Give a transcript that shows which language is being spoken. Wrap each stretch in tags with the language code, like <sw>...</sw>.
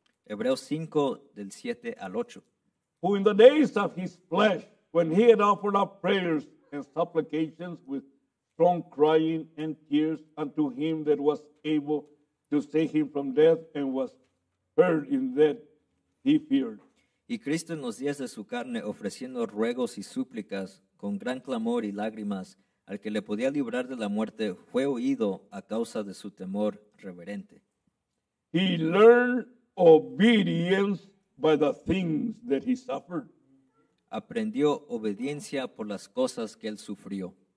<es>Hebreos 5, del 7 al 8.</es> <en>Who in the days of his flesh, when he had offered up prayers and supplications with strong crying and tears unto him that was able to save him from death and was heard in that he feared.</en> <es>Y Cristo en los días de su carne, ofreciendo ruegos y súplicas con gran clamor y lágrimas al que le podía librar de la muerte, fue oído a causa de su temor reverente.</es> <en>He learned obedience by the things that he suffered.</en> <es>Aprendió obediencia por las cosas que él sufrió.</es>